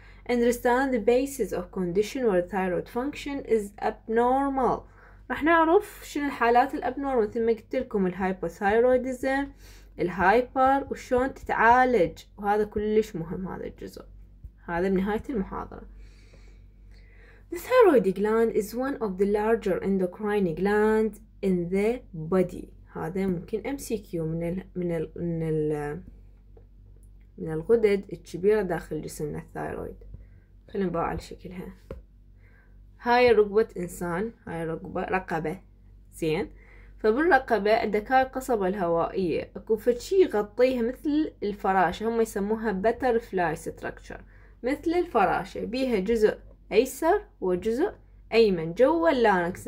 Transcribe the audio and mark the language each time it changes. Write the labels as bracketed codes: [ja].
[en] understand the basis of condition where thyroid function is abnormal، [ar] راح نعرف شنو الحالات الابنورمال، مثل ما قلت لكم الهايبوثايرويدزم، الهايبر، وشون تتعالج، وهذا كلش مهم هذا الجزء. هذا بنهاية المحاضرة. [en] The thyroid gland is one of the larger endocrine glands in the body. [ar] هذا ممكن MCQ من الـ من الـ من الـ من الغدد الكبيرة داخل جسمنا الثايرويد. خلينا نبقى على شكلها. هاي رقبة إنسان، هاي رقبة رقبة، زين. فبالرقبة عندك هاي القصبة الهوائية، اكو فتشي يغطيها مثل الفراشة، هم يسموها butterfly structure، مثل الفراشة، بيها جزء أيسر وجزء أيمن جوا اللانكس.